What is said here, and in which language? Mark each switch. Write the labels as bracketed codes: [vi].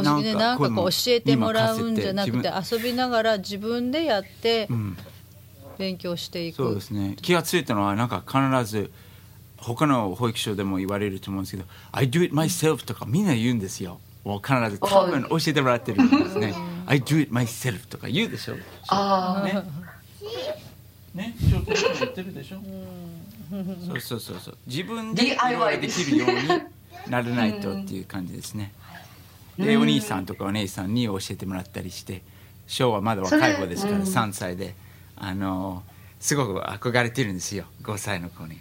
[ja] なんかこう教えてもらうんじゃなくて、遊びながら自分でやって勉強していく、うん、そうですね。気がついたのはなんか必ず他の保育所でも言われると思うんですけど、 [en] I do it myself [ja] とかみんな言うんですよ。もう必ず多分教えてもらってるんですね。 [en] I do it myself [ja] とか言うでしょ。あ、ね、ね、ちょっと言ってるでしょ。そうそうそうそう、自分で DIY できるようになれないとっていう感じですね。でお兄さんとかお姉さんに教えてもらったりして、ショーはまだ若い子ですから3歳で、すごく憧れてるんですよ、5歳の子に。